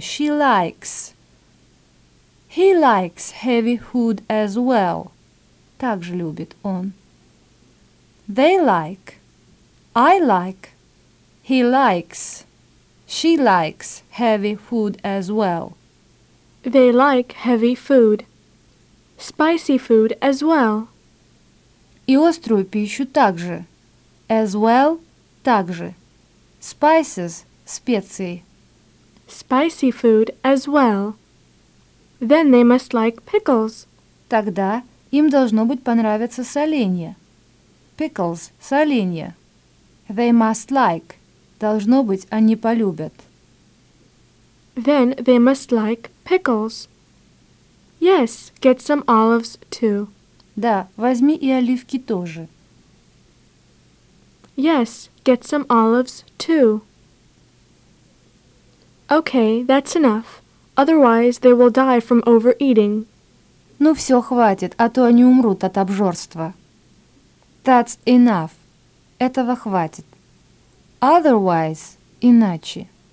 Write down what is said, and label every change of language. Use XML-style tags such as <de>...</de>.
<en>She likes. He likes heavy food as well.</en> <ru>Также любит он.</ru> <en>They like. I like. He likes. She likes heavy food as well. They like heavy food. Spicy food as well.</en> <ru>И острую пищу также.</ru> <en>As well – также. Spices – специи. Spicy food as well. Then they must like pickles.</en> <ru>Тогда им должно быть понравиться соленья.</ru> <en>Pickles – соленья. They must like.</en> <ru>Должно быть, они полюбят.</ru> <en>Then they must like pickles. Yes, get some olives too.</en> <ru>Да, возьми и оливки тоже.</ru> <en>Yes, get some olives too. Okay, that's enough. Otherwise, they will die from overeating.</en> <ru>Ну все, хватит, а то они умрут от обжорства.</ru> <en>That's enough.</en> <ru>Этого хватит. Otherwise, иначе.</ru>